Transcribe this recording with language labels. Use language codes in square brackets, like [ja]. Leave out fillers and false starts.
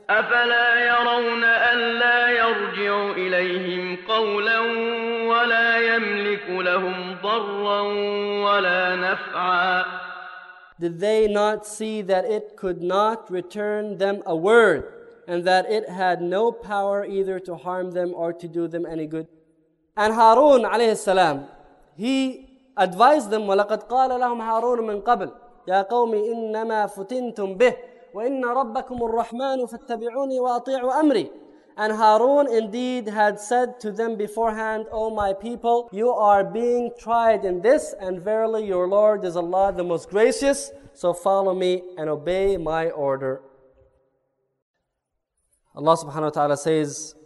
[ar] أَفَلَا يَرَوْنَ أَلَّا يَرْجِعُ إِلَيْهِمْ قَوْلًا وَلَا يَمْلِكُ لَهُمْ ضَرًّا وَلَا نَفْعًا. [en] Did they not see that it could not return them a word, and that it had no power either to harm them or to do them any good? And Harun alayhi salam, he advised them, [ar] وَلَقَدْ قَالَ لَهُمْ هَارُونَ مِنْ قَبْلِ يَا قَوْمِ إِنَّمَا فُتِنْتُمْ بِهِ وَإِنَّ رَبَّكُمُ الرَّحْمَنُ فَاتَّبِعُونِ وَأَطِيعُوا أَمْرِي. [en] And Harun indeed had said to them beforehand, O my people, you are being tried in this, and verily your Lord is Allah the most gracious, so follow me and obey my order. Allah subhanahu wa ta'ala says,